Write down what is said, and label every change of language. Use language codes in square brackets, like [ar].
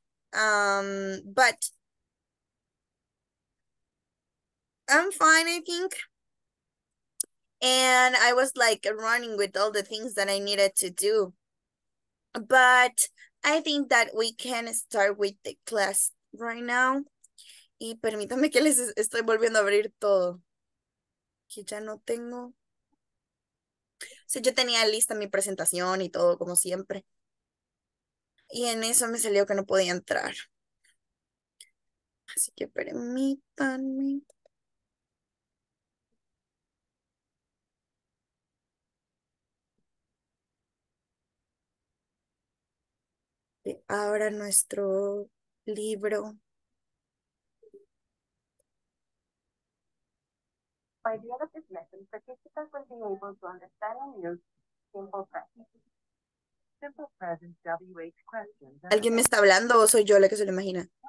[en] But I'm fine, I think. And I was like running with all the things that I needed to do. But I think that we can start with the class right now. [es] Y permítanme que les estoy volviendo a abrir todo. Que ya no tengo. Sea, yo tenía lista mi presentación y todo, como siempre. Y en eso me salió que no podía entrar. Así que permítanme. Que abra nuestro libro. [en] By the end of this lesson, participants will be able to understand and use simple present. Simple present WH questions. [es] ¿Alguien me está hablando o soy yo la que se lo imagina?